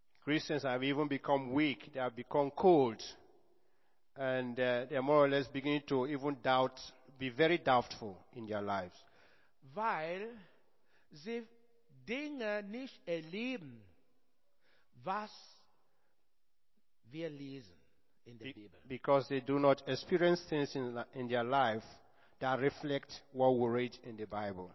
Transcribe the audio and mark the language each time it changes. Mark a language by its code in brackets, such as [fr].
[en] Christians have even become weak, they have become cold, and they are more or less beginning to even doubt, be very doubtful in their lives. [de] Weil sie Dinge nicht erleben, was wir lesen in der Bibel. [en] Because they do not experience things in their life that reflect what we read in the Bible.